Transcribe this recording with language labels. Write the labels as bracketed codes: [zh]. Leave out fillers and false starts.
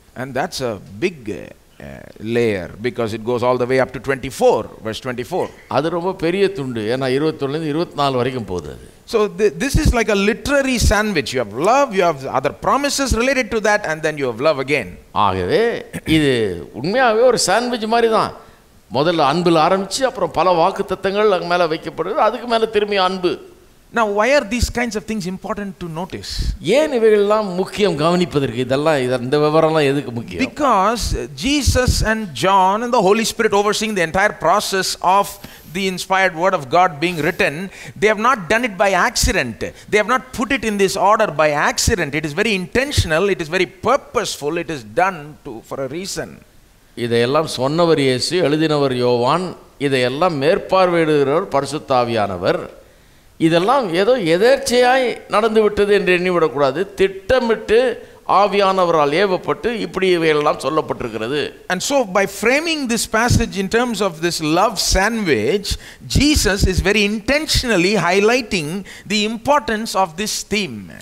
[en] And that's a big layer because it goes all the way up to 24, verse 24. [ta] அது ரொம்ப பெரிய துண்டு, ஏனா 21 ல இருந்து 24 வரைக்கும் போகுது. [en] So this is like a literary sandwich. You have love, you have other promises related to that, and then you have love again. [ta] ஆகவே இது உண்மையாவே ஒரு சாண்ட்விச் மாதிரி தான். முதல்ல அன்புல ஆரம்பிச்சு அப்புறம் பல வாக்கு தத்தங்கள் அங்க மேல வைக்கப்படுது, அதுக்கு மேல திரும்பி அன்பு. [en] Now why are these kinds of things important to notice? [ta] ஏன் இவைகளெல்லாம் முக்கியம் கவனிப்பதற்கு, இதெல்லாம் இந்த விவரம்லாம் எதுக்கு முக்கியம்? [en] Because Jesus and John and the Holy Spirit overseeing the entire process of the inspired word of God being written, they have not done it by accident. They have not put it in this order by accident. It is very intentional, it is very purposeful, it is done to for a reason. [ta] இதெல்லாம் சொன்னவர் இயேசு, எழுதினவர் யோவான், இதெல்லாம் மேற்பார்வையிடுகிறவர் பரிசுத்த ஆவியானவர். இதெல்லாம் ஏதோ எதேர்ச்சையாய் நடந்து விட்டது என்று எண்ணிவிடக்கூடாது. திட்டமிட்டு ஆவியானவரால் ஏவப்பட்டு இப்படி இவையெல்லாம் சொல்லப்பட்டிருக்கிறது. [en] And so by framing this passage in terms of this love sandwich, Jesus is very intentionally highlighting the importance of this theme.